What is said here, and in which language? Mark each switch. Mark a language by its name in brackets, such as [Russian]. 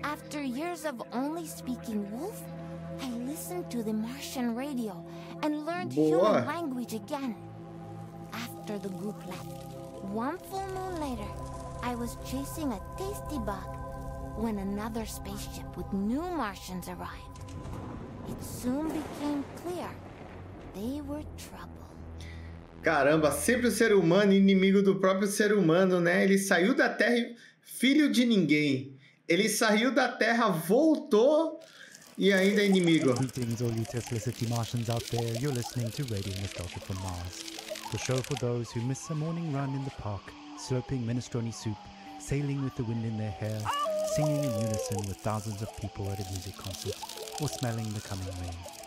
[English] After years of only speaking wolf, I listened to the Martian radio and learned human language again. After the group left, one full moon later, I was chasing a tasty bug when another spaceship with new Martians arrived. It soon became clear they were trouble. [Portuguese] Caramba, sempre o ser humano inimigo do próprio ser humano, né? Ele saiu da Terra, filho de ninguém. Ele saiu da Terra, voltou e ainda é inimigo. [English] Greetings, all you Teslacity Martians out there. You're listening to Radio Nostalgia from Mars. The show for those who miss a morning run in the park, slurping minestrone soup, sailing with the wind in their hair, singing in unison with thousands of people at a music concert, or smelling the coming rain.